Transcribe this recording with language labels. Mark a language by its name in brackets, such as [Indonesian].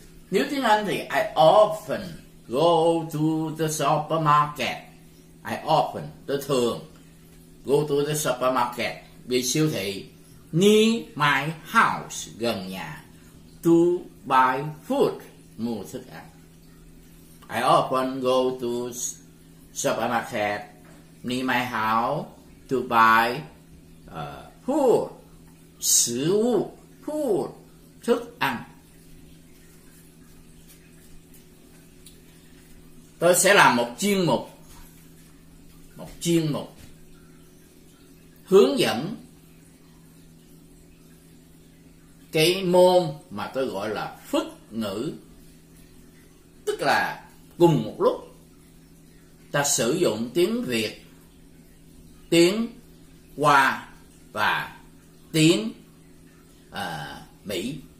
[Vietnamese] Nếu tiếng Anh thì [English] I often go to the supermarket. I often, [Vietnamese] tôi thường [English] go to the supermarket, [Vietnamese] đi siêu thị. [English] Near my house, [Vietnamese] gần nhà. [English] to buy food, [Vietnamese] mua thức ăn. [English] I often go to supermarket near my house to buy food, [Chinese] 食物, [English] food, [Vietnamese] thức ăn. Tôi sẽ làm một chuyên mục hướng dẫn cái môn mà tôi gọi là phức ngữ, tức là cùng một lúc ta sử dụng tiếng Việt, tiếng Hoa và tiếng Mỹ.